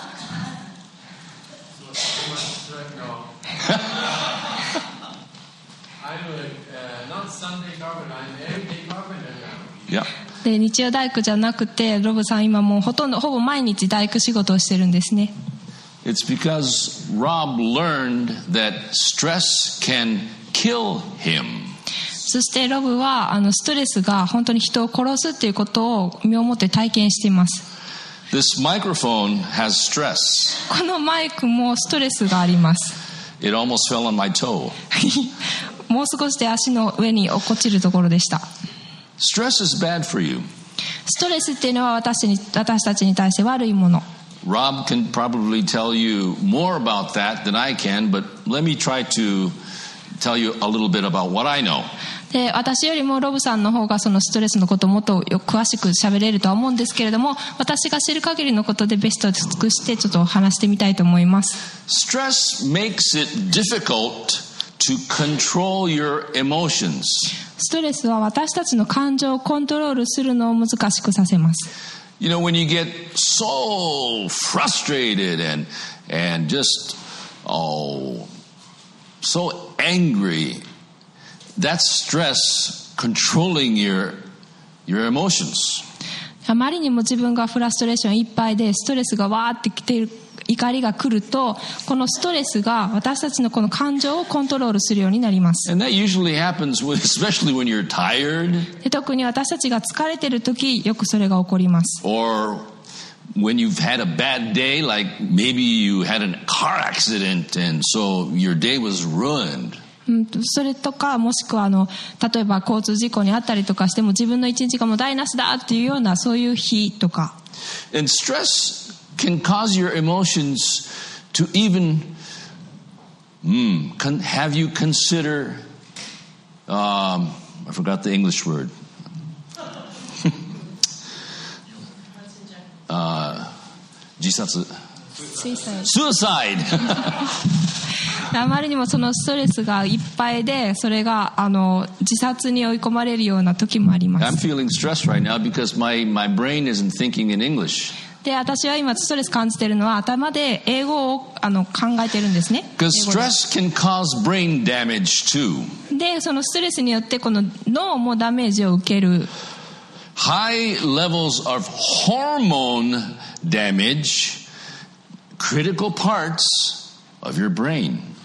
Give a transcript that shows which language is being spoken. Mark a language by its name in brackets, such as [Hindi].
[English] I'm not Sunday Garvin, I'm everyday Garvin. Yep. [Japanese] で日曜大工じゃなくてロブさん今もうほとんどほぼ毎日大工仕事をしてるんですね。 [English] It's because Rob learned that stress can kill him. [Japanese] そしてロブはストレスが本当に人を殺すっていうことを身をもって体験しています。 [English] This microphone has stress. [Japanese] このマイクもストレスがあります。 [English] It almost fell on my toe. [Japanese] もう少しで足の上に落っこちるところでした。 [English] Stress is bad for you. [Japanese] ストレスっていうのは私たちに対して悪いもの。 [English] Rob can probably tell you more about that than I can, but let me try to tell you a little bit about what I know. [Japanese] で、私よりもロブさんの方がそのストレスのことをもっとよく詳しく喋れるとは思うんですけれども、私が知る限りのことでベストを尽くしてちょっと話してみたいと思います。 [English] Stress makes it difficult to control your emotions. [Japanese] ストレスは私たちの感情をコントロールするのを難しくさせます。 [English] You know, when you get so frustrated and just, oh, so angry, that's stress controlling your emotions. [Japanese] あまりにも自分がフラストレーションいっぱいで、ストレスがわーってきている、怒りが来ると、このストレスが私たちのこの感情をコントロールするようになります。 [English] And that usually happens with, especially when you're tired. [Japanese] 特に私たちが疲れてる時、よくそれが起こります。 [English] Or when you've had a bad day, like maybe you had a car accident and so your day was ruined. [Japanese] それとかもしくは例えば交通事故にあったりとかしても自分の一日がもう台無しだっていうようなそういう日とか。 [English] And stress. Can cause your emotions to even have you consider I forgot the English word. suicide. [Japanese] あまりにもそのストレスがいっぱいで、それが自殺に追い込まれるような時もあります。 [English] I'm feeling stressed right now because my brain isn't thinking in English. [Japanese] で私は今ストレス感じているのは頭で英語を考えているんですね。 [English] Because stress can cause brain damage too. [Japanese] でそのストレスによってこの脳もダメージを受ける。 [English] High levels of hormone damage, critical parts of your brain.